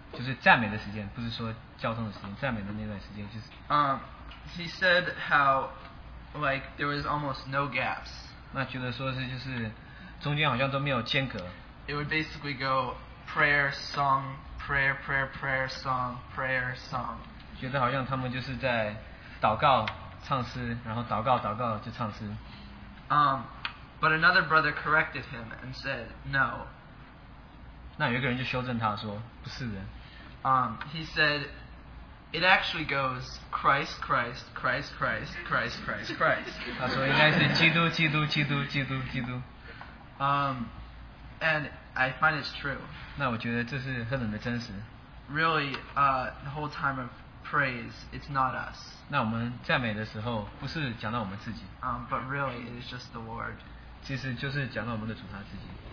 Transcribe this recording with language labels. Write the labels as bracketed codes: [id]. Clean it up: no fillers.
[zh] 就是赞美的时间，不是说交通的时间，赞美的那段时间就是。 [en] He said how like there was almost no gaps. [zh] 那觉得说是就是。中间好像都没有间隔。 [en] It would basically go prayer, song, prayer, prayer, prayer, song, prayer, song. [zh] 觉得好像他们就是在祷告唱诗，然后祷告祷告就唱诗。 [en] But another brother corrected him and said no. [zh] 那有一个人就修正他说不是的。 [en] He said it actually goes Christ, Christ, Christ, Christ, Christ, Christ, Christ. [zh] 他说应该是基督基督基督基督基督。 [en] And I find it's true. [zh] 那我觉得这是很冷的真实。 [en] Really, the whole time of praise, it's not us. [zh] 那我们赞美的时候，不是讲到我们自己。 [en] But really, it is just the Lord. [zh] 其实就是讲到我们的主他自己。